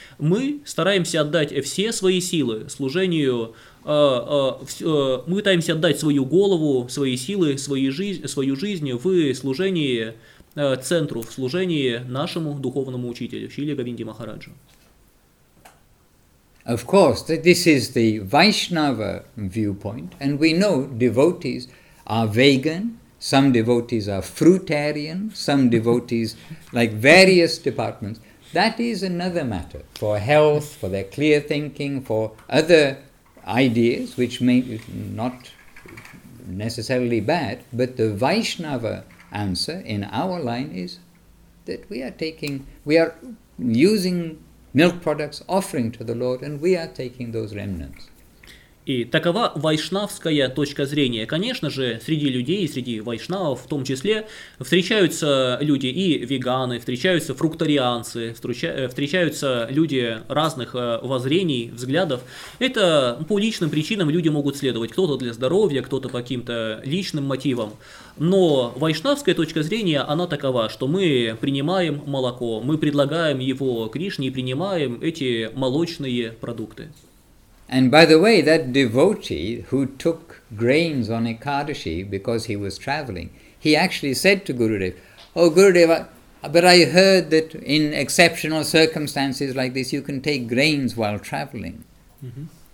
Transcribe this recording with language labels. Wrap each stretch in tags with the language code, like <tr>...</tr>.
<ru>Мы стараемся отдать все свои силы служению, мы пытаемся отдать свою голову, свои силы, свою жизнь в служении центру, в служении нашему духовному учителю, Шриле Говинде Махараджу.</ru> <en>Of course, this is the Vaishnava viewpoint, and we know devotees are vegan, some devotees are fruitarian, some devotees like various departments. That is another matter for health, for their clear thinking, for other ideas, which may not necessarily bad, but the Vaishnava answer in our line is that we are using milk products offering to the Lord and we are taking those remnants.</en> <ru>И такова вайшнавская точка зрения. Конечно же, среди людей, среди вайшнавов в том числе, встречаются люди и веганы, встречаются фрукторианцы, встречаются люди разных воззрений, взглядов. Это по личным причинам люди могут следовать. Кто-то для здоровья, кто-то по каким-то личным мотивам. Но вайшнавская точка зрения, она такова, что мы принимаем молоко, мы предлагаем его Кришне и принимаем эти молочные продукты.</ru> <en>And by the way, that devotee who took grains on Ekadashi because he was traveling, he actually said to Gurudev, "Oh Gurudev, but I heard that in exceptional circumstances like this, you can take grains while traveling." Mm-hmm.</en>